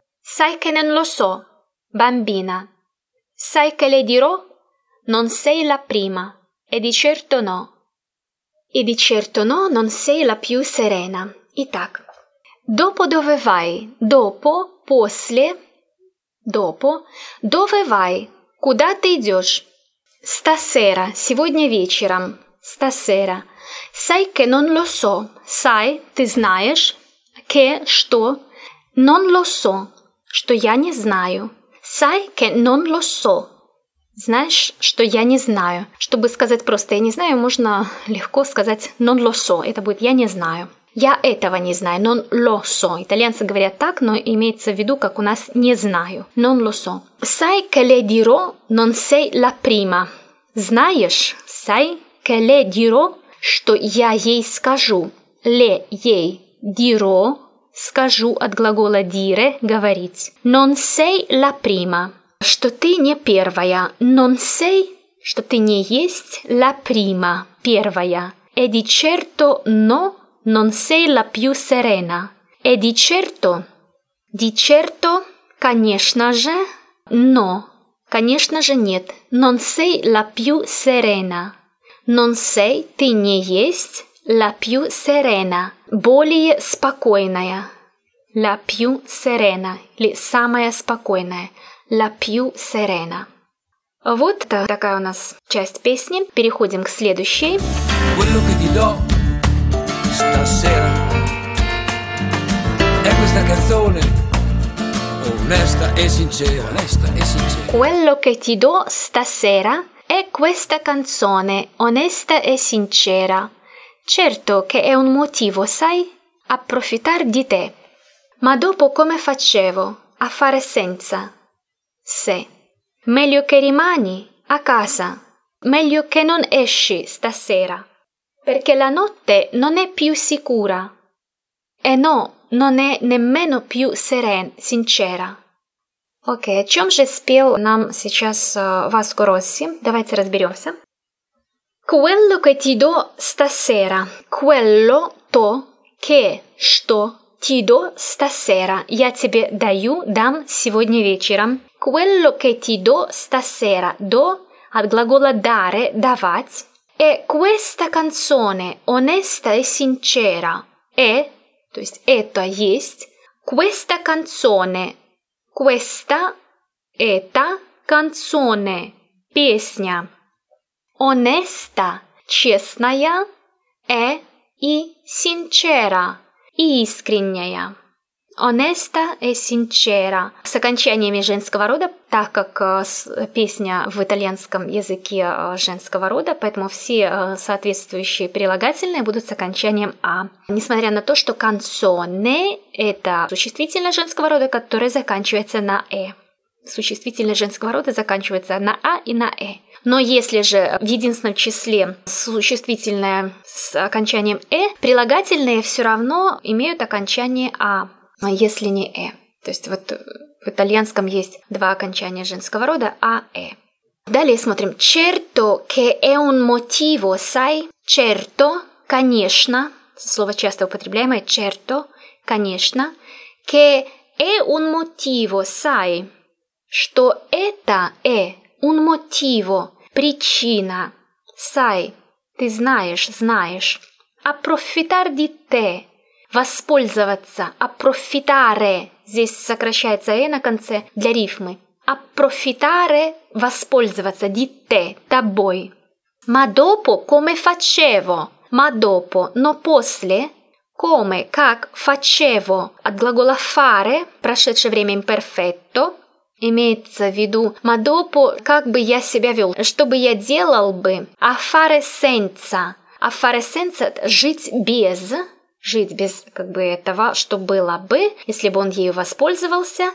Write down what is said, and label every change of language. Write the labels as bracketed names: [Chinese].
[Italian] Sai che non lo so, bambina. Sai che le dirò? Non sei la prima, e di certo no. E di certo no, non sei la più serena. Итак, dopo dove vai? Dopo, после, dopo. [Russian] Dove vai? Куда ты идешь? Stasera, сегодня вечером. [Italian] Stasera. Sai che non lo so. [Russian] Sai, ты знаешь. Che, что? Non lo so. Что я не знаю. [Italian] Sai che non lo so. [Russian] Знаешь, что я не знаю. Чтобы сказать просто «я не знаю», можно легко сказать [Italian] «non lo so». [Russian] Это будет «я не знаю». «Я этого не знаю». [Italian] «Non lo so». [Russian] Итальянцы говорят так, но имеется в виду, как у нас «не знаю». [Italian] «Non lo so». «Sai che le dirò non sei la prima». [Russian] «Знаешь?» [Italian] «Sai che le dirò, [Russian] что я ей скажу». «Le ей dirò» «скажу» от глагола «dire» «говорить». [Italian] «Non sei la prima». [Russian] Что ты не первая. Non sei, что ты не есть, la prima, первая. [Italian] E di certo no, non sei la più serena. [Russian] E di certo, конечно же, no, конечно же нет. [Italian] Non sei la più serena. [Russian] Non sei, ты не есть, la più serena, более спокойная. La più serena, или самая спокойная. [Italian] La più serena. [Russian] Вот такая у нас часть песни. Переходим к следующей. [Italian] Quello che ti do stasera è questa canzone onesta e sincera, onesta e sincera. Quello che ti do stasera è questa canzone onesta e sincera. Certo che è un motivo, sai, approfittar di te. Ma dopo come facevo a fare senza? Se. Meglio che rimani a casa. Meglio che non esci stasera. Perché la notte non è più sicura. E no, non è nemmeno più serena, sincera. [Russian] Ok, о чем же спел нам сейчас Васко Росси? Давайте разберемся. [Italian] Quello che ti do stasera. Quello, то, che, что, ti do stasera. [Russian] Я тебе даю, дам сегодня вечером. Quello che ti do stasera, do, от глагола dare, давать, è questa canzone, onesta e sincera, è, то есть это есть, questa canzone, questa, это, canzone, песня, onesta, честная, è, и sincera, искренняя. [Italian] Onesta e sincera. [Russian] С окончаниями женского рода, так как песня в итальянском языке женского рода, поэтому все соответствующие прилагательные будут с окончанием «а». Несмотря на то, что canzone – это существительное женского рода, которое заканчивается на «э». Существительное женского рода заканчивается на «а» и на «э». Но если же в единственном числе существительное с окончанием «э», прилагательные все равно имеют окончание «а», если не «э». То есть вот в итальянском есть два окончания женского рода «а», «э». Далее смотрим. [Italian] «Certo che è un motivo, sai?» [Russian] «Certo» – «конечно». Слово часто употребляемое. «Certo» – «конечно». [Italian] «Che è un motivo, sai?» [Russian] Что это «э» – «un motivo» – «причина». «Sai» – «ты знаешь», «знаешь». [Italian] «Approfittar di te» – «воспользоваться». [Russian] «Approfittare» – здесь сокращается «э» на конце для рифмы. [Italian] «Approfittare» – «воспользоваться», «di te» – «тобой». «Ma dopo come facevo» – «ma dopo» – [Russian] «но после». «Come» – «как» – «facevo» – от глагола «fare» – прошедшее время «imperfetto». Имеется в виду [Italian] «ma dopo» [Russian] – «как бы я себя вел», «что бы я делал бы», [Italian] «a fare senza». «A fare senza» [Russian] – жить без как бы этого, что было бы, если бы он ею воспользовался.